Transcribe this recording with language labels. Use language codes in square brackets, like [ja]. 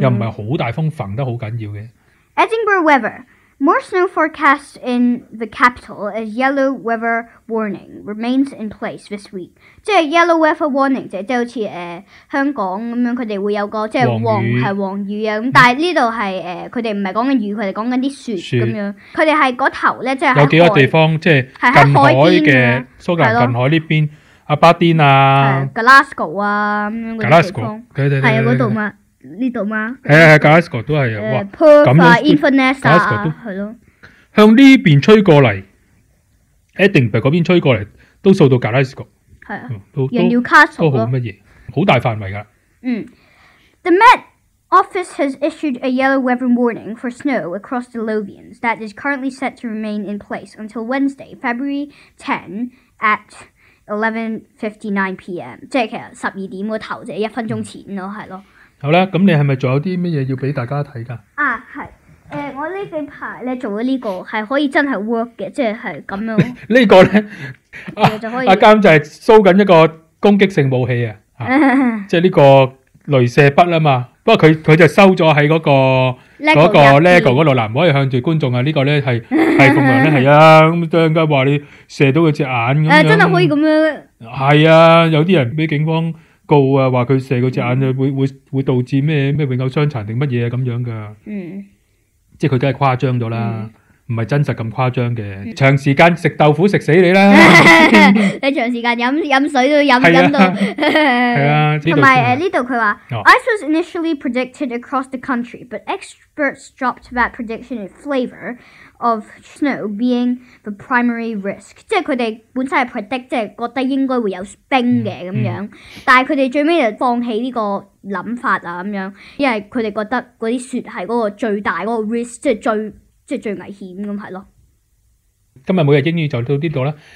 [yue] 又唔系好大风，缝得好紧要嘅。 [en] Edinburgh weather. More snow forecast in the capital as yellow weather warning remains in place this week. [yue] 即係 yellow weather warning，即係好似香港咁樣，佢哋會有個即係黃係黃雨啊。咁但係呢度係佢哋唔係講緊雨，佢哋講緊啲雪咁樣。佢哋係嗰頭咧，即係有幾個地方，即係近海嘅蘇格蘭近海呢邊，阿巴丁啊，Glasgow 啊咁樣嗰啲地方，係啊嗰度嘛。呢度吗？系啊系 ，Glasgow 都系哇，咁样 Inverness 啊，系咯，向呢边吹过嚟 ，Edinburgh 嗰边吹过嚟，都扫到 Glasgow，系啊，人要 Castle 都好乜嘢，好大范围噶。 [en] 嗯 ，The Met Office has issued a yellow weather warning for snow across the Lothians that is currently set to remain in place until Wednesday, February 10 at 11:59 p.m. [yue] 即系其实十二点个头啫，一分钟前咯，系咯。好啦，咁你系咪仲有啲咩嘢要俾大家睇噶？啊，系，我呢几排咧做咗呢个系可以真系 work 嘅，即系咁样。呢个咧，阿监就系搜紧一个攻击性武器啊，即系呢个镭射笔啊嘛。不过佢就收咗喺嗰个 [en] LEGO [yue] 嗰度啦，唔可以向住观众啊。呢个咧系凤凰咧系啊，咁应该话你射到佢只眼咁真系可以咁样。系啊，有啲人俾警方。告啊！话佢射嗰只眼啊，会导致咩永久伤残定乜嘢咁样噶？嗯，即系佢都系夸张咗啦，唔系真实咁夸张嘅。长时间食豆腐食死你啦！你长时间饮水都饮到，系啊。 [en] 同埋呢度佢话，ice was initially predicted across the country, but experts dropped that prediction in flavor of snow being the primary risk. [yue] 即系佢哋本身系 predict， 即系觉得应该会有冰嘅咁样，但系佢哋最尾就放弃呢个谂法啊咁样，因为佢哋觉得嗰啲雪系嗰个最大嗰个 risk， 即系最危险咁系咯。今日每日英语就到呢度啦。